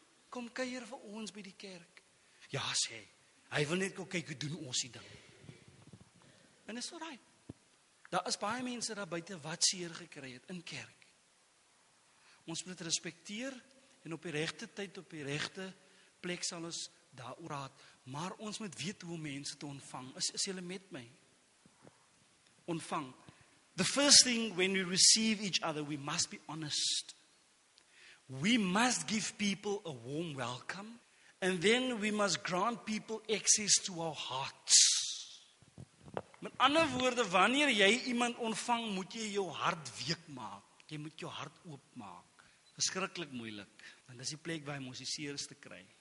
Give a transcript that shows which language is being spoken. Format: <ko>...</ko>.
<af>Kom kuier vir ons by die kerk. Ja, sê hy. Hy wil net kyk hoe doen ons die ding. En dis alright. Daar is baie mense daar buiten wat seer gekry het in kerk. Ons moet dit respekteer en op die regte tyd, op die regte plek sal ons daar oraad. Maar ons moet weet hoe mense te ontvang. Is jylle met my? Ontvang.</af> <en>The first thing when we receive each other, we must be honest. We must give people a warm welcome. And then we must grant people access to our hearts.</en> <af>Met ander woorde, wanneer jy iemand ontvang, moet jy jou hart week maak. Jy moet jou hart oopmaak. Verskriklik moeilik. Want dis die plek waar jy ons die seerste kry.</af>